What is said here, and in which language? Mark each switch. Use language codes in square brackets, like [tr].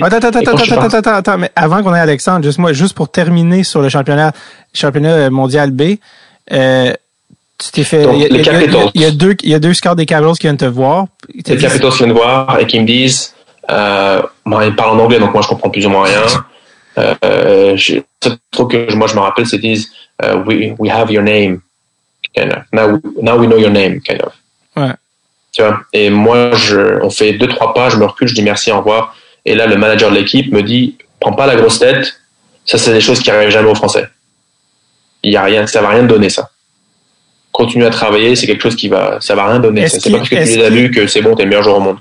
[fr] Attends, mais avant qu'on ait Alexandre, juste pour terminer sur le championnat mondial B, tu t'es fait... Il y a deux scores des Capitals qui viennent te voir. Les Capitals qui viennent te voir et qui me disent... ils parlent en anglais, donc moi, je comprends plus ou moins rien. je me rappelle, c'est qu'ils disent... [en] we have your name, kind of. Now we know your name, kind of. [fr] Ouais. Tu vois. Et moi, on fait 2-3 pas, je me recule, je dis merci, au revoir. Et là, le manager de l'équipe me dit, prends pas la grosse tête. Ça, c'est des choses qui arrivent jamais aux Français. Il y a rien, ça va rien donner, ça. Continue à travailler, c'est quelque chose qui va, ça va rien donner. C'est pas parce que tu les as lus que c'est bon, t'es le meilleur joueur au monde.